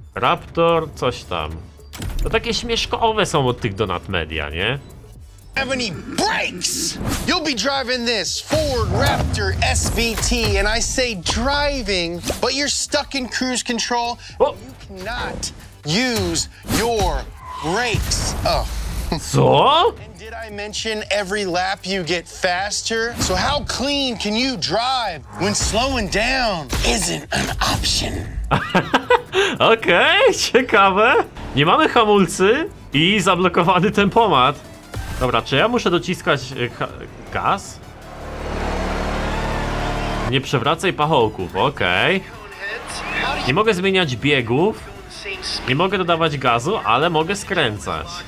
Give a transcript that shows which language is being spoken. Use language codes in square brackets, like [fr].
[pl] Raptor, coś tam. No takie śmieszkowe są od tych Donut Media, nie? [en] Have any brakes? You'll be driving this Ford Raptor SVT, and I say driving, but you're stuck in cruise control. Oh. You cannot use your brakes. Oh. So? And did I mention every lap you get faster? So how clean can you drive when slowing down isn't an option? [pl] Okej, okay, ciekawe. Nie mamy hamulcy i zablokowany tempomat. Dobra, czy ja muszę dociskać gaz? Nie przewracaj pachołków, okej. Okay. Nie mogę zmieniać biegów. Nie mogę dodawać gazu, ale mogę skręcać.